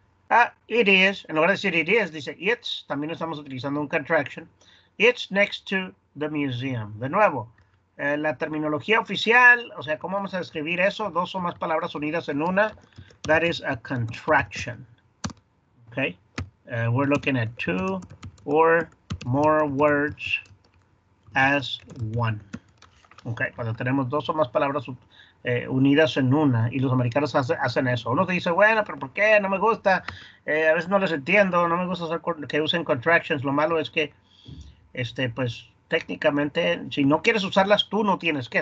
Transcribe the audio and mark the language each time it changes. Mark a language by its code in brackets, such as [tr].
[en] Ah, it is, [es] en lugar de decir [en] it is, dice it's, [es] también estamos utilizando un [en] contraction, it's next to the museum. [es] De nuevo, la terminología oficial, o sea, ¿cómo vamos a describir eso? Dos o más palabras unidas en una, [en] that is a contraction, [es] ¿ok? [en] We're looking at two or more words as one. [es] Ok, cuando tenemos dos o más palabras unidas en una, y los americanos hacen eso. Uno te dice, bueno, pero ¿por qué? No me gusta. A veces no les entiendo. No me gusta que usen contractions. Lo malo es que, pues, técnicamente, si no quieres usarlas, tú no tienes que.